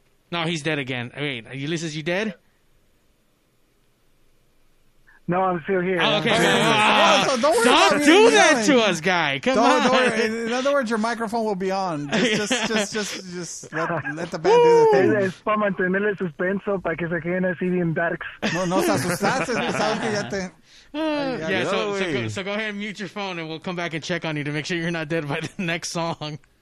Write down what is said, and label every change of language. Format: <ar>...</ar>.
<en>No, he's dead again. Wait, Ulysses, you dead? No, I'm still here. Oh, okay. Don't do that to us, guy. Come on. In other words, your microphone will be on. Just let the band do the thing.</en> <es>Es para mantener el suspenso para que se queden así bien darks. No, se asustaste. Sabes que ya te...</es> <en>So go ahead and mute your phone, and we'll come back and check on you to make sure you're not dead by the next song.</en>